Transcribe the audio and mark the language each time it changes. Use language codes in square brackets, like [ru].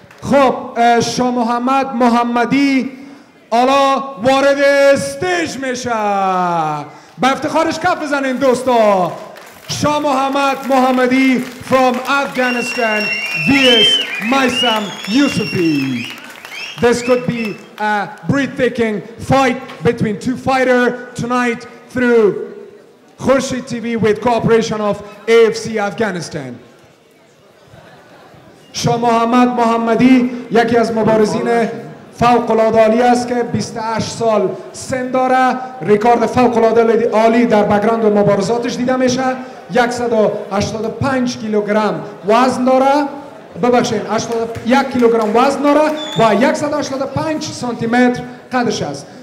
[fa] خب شاه محمد محمدی حالا وارد استیج میشه. به افتخارش کف بزنین دوستا، شاه محمد محمدی [en] from Afghanistan vs Maysam Yusupi. This could be a breathtaking fight between two fighters tonight through Khurshid TV with cooperation of AFC Afghanistan. [fa] شاه محمد محمدی یکی از مبارزین فوق العاده عالی است که 28 سال سن داره، ریکارد فوق العاده عالی در بک‌گراند مبارزاتش دیده میشه، 185 کیلوگرم وزن داره، ببخشید 81 کیلوگرم وزن داره و 185 سانتی متر قدش است.